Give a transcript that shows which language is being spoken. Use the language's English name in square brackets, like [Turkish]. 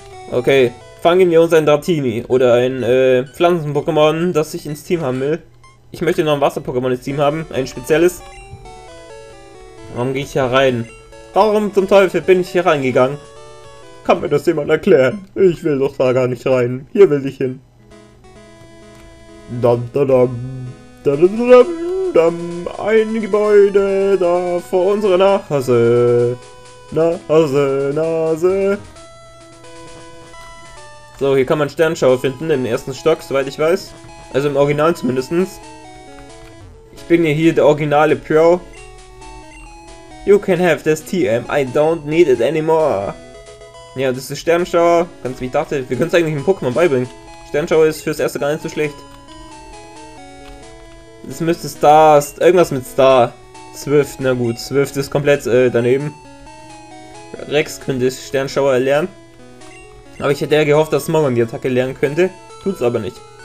[German] Okay, fangen wir uns ein Dratini oder ein Pflanzen-Pokémon, das ich ins Team haben will. Ich möchte noch ein Wasser-Pokémon ins Team haben, ein spezielles. Warum gehe ich hier rein? Warum zum Teufel bin ich hier reingegangen? Kann mir das jemand erklären? Ich will doch da gar nicht rein. Hier will ich hin. Dam, dam, dam, dam, dam, dam, dam. Ein Gebäude da vor unserer Nase. Nase, Nase. So, hier kann man Sternschauer finden, im ersten Stock, soweit ich weiß. Also im Original zumindest. Ich bin ja hier der originale Pro. [English] You can have this TM, I don't need it anymore. [German] Ja, das ist Sternschauer. Ganz wie ich dachte, wir können es eigentlich einem Pokémon beibringen. Sternschauer ist fürs erste gar nicht so schlecht. Das müsste Stars, irgendwas mit Star. Swift, na gut, Swift ist komplett daneben. Rex könnte Sternschauer erlernen. Aber ich hätte ja gehofft, dass Smogon die Attacke lernen könnte. Tut's aber nicht.